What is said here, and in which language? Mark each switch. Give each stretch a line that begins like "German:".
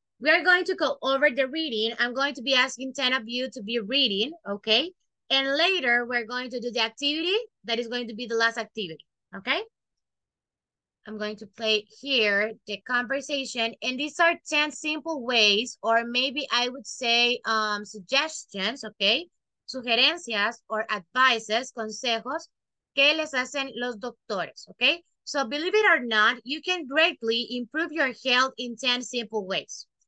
English: We are going to go over the reading. I'm going to be asking 10 of you to be reading, okay? And later, we're going to do the activity that is going to be the last activity, okay? I'm going to play here the conversation. And these are 10 simple ways, or maybe I would say suggestions, okay?
Spanish: Sugerencias
English: or advices,
Spanish: consejos, que les hacen los doctores, okay?
English: So believe it or not, you can greatly improve your health in 10 simple ways.